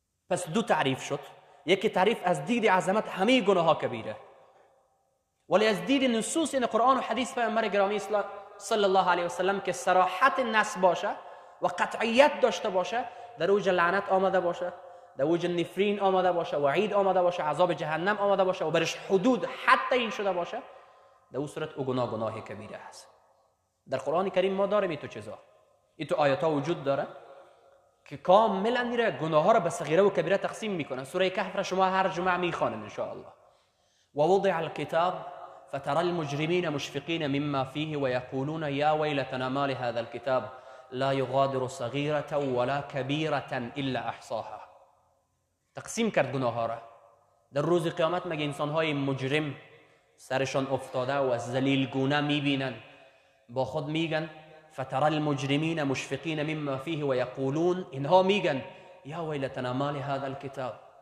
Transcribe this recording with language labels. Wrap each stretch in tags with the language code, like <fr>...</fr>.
<fa>پس دو تعریف شد، یکی تعریف از دید عظمت همه گناه ها کبیره، ولی از دید نصوص یعنی قرآن و حدیث پیامبر گرامی اسلام صلی الله علیه وسلم که صراحت نص باشه و قطعیت داشته باشه، در اوج لعنت آمده باشه، در وجه نفرین آمده باشه، وعید آمده باشه، عذاب جهنم آمده باشه و برش حدود حتی این شده باشه، در او صورت او گناه گناه کبیره است. در قرآن کریم ما داریم این تو چیزا، این تو آیات ها وجود داره که کاملا میره گناه ها را به صغیره و کبیره تقسیم میکنه. سوره کهف را شما هر جمعه میخوانید ان شاء الله.</fa> <ar>ووضع الكتاب فترى المجرمين مشفقين مما فيه ويقولون يا ويلتنا ما لهذا الكتاب لا يغادر صغيرة ولا كبيرة إلا أحصاها.</ar> <fa>تقسيم كرد گناه ها را در روز قیامت مگه انسان های مجرم سرشان افتاده و ذلیل گونه میبینن با خود میگن</fa> <ar>فترى المجرمين مشفقين مما فيه ويقولون</ar> <fa>انها میگن</fa> <ar>يا ويلتنا ما لهذا الكتاب</ar>